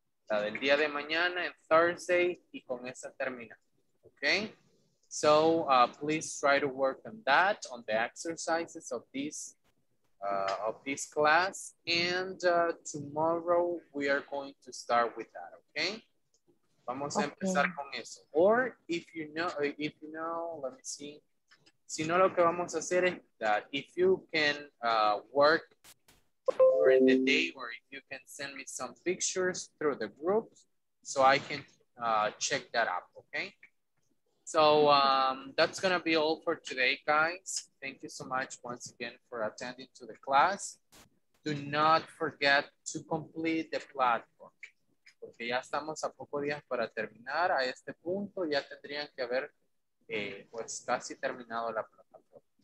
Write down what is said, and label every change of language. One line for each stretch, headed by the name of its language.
Spanish: La del día de mañana, en Thursday, y con esa termina, okay?
English: So please try to work on that, on the exercises of this class. And tomorrow, we are going to start with that, okay?
Spanish: Vamos a empezar con eso.
English: Or if you know, let me see.
Spanish: Si no, lo que vamos a hacer es
English: that if you can work during the day, or if you can send me some pictures through the groups, so I can check that up, okay? So that's gonna be all for today, guys. Thank you so much once again for attending to the class. Do not forget to complete the platform.
Spanish: Porque ya estamos a pocos días para terminar. A este punto ya tendrían que haber pues casi terminado la plataforma.